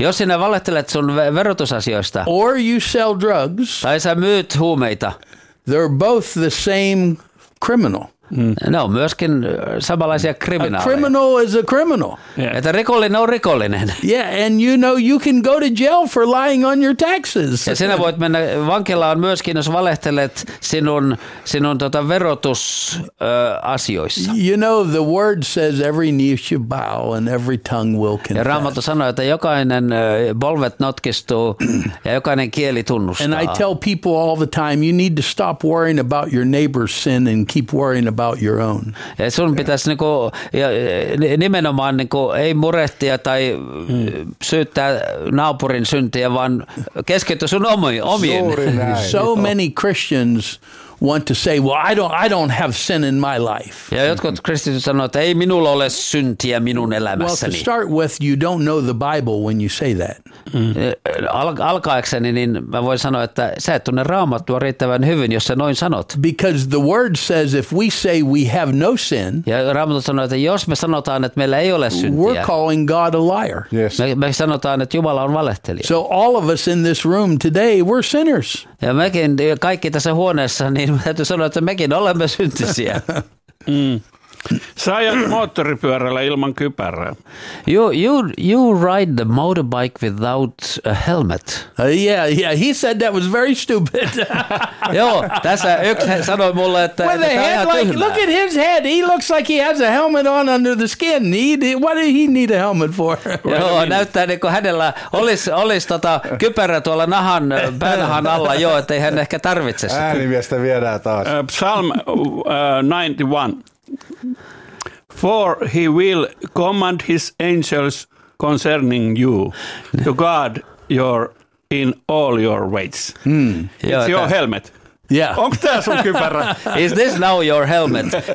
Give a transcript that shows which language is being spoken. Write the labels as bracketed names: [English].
[Finnish] jos sinä valehtelet sun verotusasioista, [English] or you sell drugs, [Finnish] tai sä myyt huumeita, [English] they're both the same criminal. [Finnish] Ne on myöskin samanlaisia kriminaaleja. [English] A criminal is a criminal. Yeah. [Finnish] Että rikollinen on rikollinen. [English] Yeah, and you know you can go to jail for lying on your taxes. [Finnish] Ja sinä voit mennä vankilaan myöskin, jos valehtelet sinun verotus asioissa. [English] You know the word says every knee should bow and every tongue will confess. [Finnish] Ja Raamattu sanoo, että jokainen polvet notkistuu ja jokainen kieli tunnustaa. [English] And I tell people all the time, you need to stop worrying about your neighbor's sin and keep worrying about your own. [Finnish] Ja sun pitäisi niinku, nimenomaan niinku, ei murehtia tai syyttää naapurin syntiä, vaan keskity sun omiin. [English] So many Christians want to say, well, I don't have sin in my life. [Finnish] Ja jotkut kristityt sanoo, että ei minulla ole syntiä minun elämässäni. [English] Well, to start with, you don't know the Bible when you say that. [Finnish] Alkaakseni, niin mä voin sanoa, että sä et tunne Raamattua riittävän hyvin, jos sä noin sanot. [English] Because the word says, if we say we have no sin, [Finnish] ja Raamattu sanoo, että jos me sanotaan, että meillä ei ole syntiä, [English] we're calling God a liar. Yes. [Finnish] Me sanotaan, että Jumala on valehtelija. [English] So all of us in this room today, we're sinners. [Finnish] Ja mekin kaikki tässä huoneessa, niin täytyy sanoa, että mekin olemme syntisiä. Sä ajat moottoripyörällä ilman kypärää. [English] You ride the motorbike without a helmet. Yeah, he said that was very stupid. [Finnish] Joo, tässä yksi sanoi mulle, että [English] with a head like, look at his head. He looks like he has a helmet on under the skin. What do he need a helmet for? [Finnish] Joo, näyttää niin kuin hänellä olisi kypärä tuolla nahan päänahan alla. Joo, ettei hän ehkä tarvitse sitä. Äänimiestä viedään taas. [English] Psalm 91. For he will command his angels concerning you to guard your in all your ways. Mm. It's your helmet. Yeah. [Finnish] Onko tämä sun kypärä? [English] Is this now your helmet?